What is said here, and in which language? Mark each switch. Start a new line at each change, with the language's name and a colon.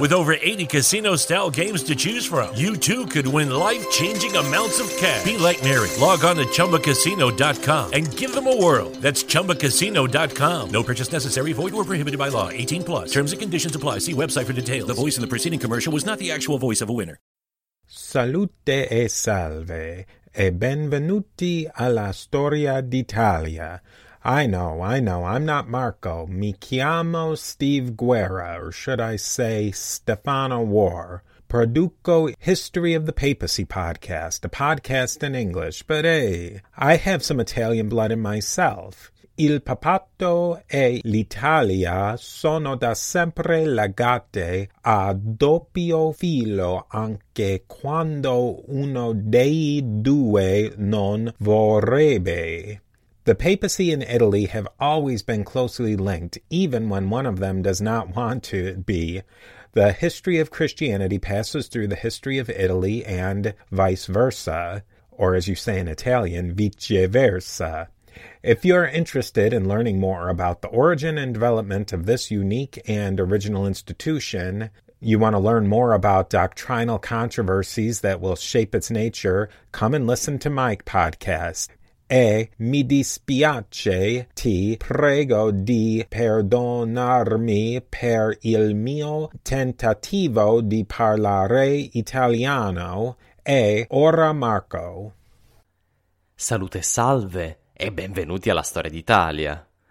English: With over 80 casino-style games to choose from, you too could win life-changing amounts of cash. Be like Mary. Log on to ChumbaCasino.com and give them a whirl. That's ChumbaCasino.com. No purchase necessary. Void or prohibited by law. 18 plus. Terms and conditions apply. See website for details. The voice in the preceding commercial was not the actual voice of a winner.
Italian: Salute e salve, e benvenuti alla storia d'Italia.
English: I know, I'm not Marco.
Italian: Mi chiamo
English: Steve Guerra, or should I say Stefano War.
Italian: Produco
English: History of the Papacy podcast, a podcast in English, but hey, I have some Italian blood in myself.
Italian: Il papato e l'Italia sono da sempre legate a doppio filo anche quando uno dei due non vorrebbe.
English: The papacy and Italy have always been closely linked, even when one of them does not want to be. The history of Christianity passes through the history of Italy and vice versa, or as you say in Italian, viceversa. If you are interested in learning more about the origin and development of this unique and original institution, you want to learn more about doctrinal controversies that will shape its nature, come and listen to my podcast.
Italian: E mi dispiace, ti prego di perdonarmi per il mio tentativo di parlare italiano. E ora Marco. Salute e salve. E benvenuti alla Storia d'Italia.